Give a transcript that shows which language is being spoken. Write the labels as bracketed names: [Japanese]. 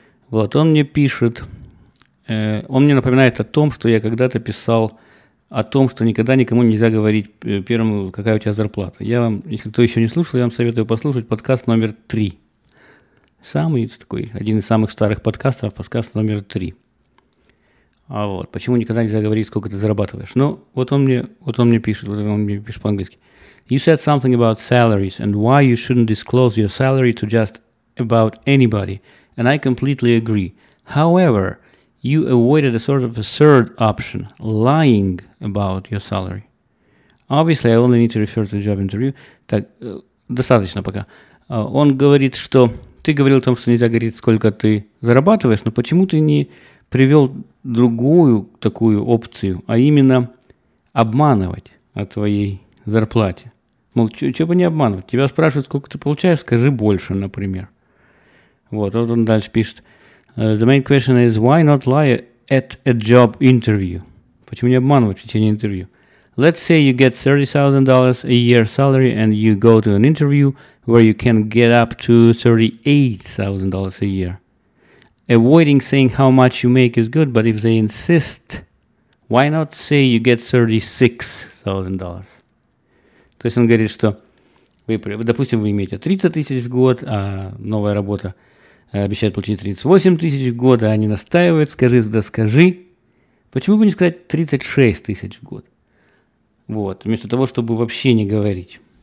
[Russian] Вот, он мне пишет, он мне напоминает о том, что я когда-то писал о том, что никогда никому нельзя говорить первому, какая у тебя зарплата. Я вам, если кто еще не слушал, я вам советую послушать подкаст номер 3. Самый такой, один из самых старых подкастов, подкаст номер 3. А вот, почему никогда нельзя говорить, сколько ты зарабатываешь? Ну, вот он мне пишет по-английски. [English] You said something about salaries and why you shouldn't disclose your salary to just about anybody. And I completely agree. However, you avoided a sort of a third option, lying about your salary. Obviously, I only need to refer to the job interview. [Russian] Так, достаточно пока. Он говорит, что ты говорил о том, что нельзя говорить, сколько ты зарабатываешь, но почему ты не привел другую такую опцию, а именно обманывать о твоей зарплате? Мол, что бы не обманывать? Тебя спрашивают, сколько ты получаешь, скажи больше, например. Вот он дальше пишет. [English] The main question is, why not lie at a job interview? [Russian] Почему не обманывать в течение интервью? [English] Let's say you get $30,000 a year salary and you go to an interview where you can get up to $38,000 a year. Avoiding saying how much you make is good, but if they insist, why not say you get $36,000? [Russian] То есть он говорит, что, допустим, вы имеете 30 тысяч в год, а новая работа обещает платить 38 тысяч в год, а они настаивают, скажи, да скажи. Почему бы не сказать 36 тысяч в год? Вот, вместо того, чтобы вообще не говорить.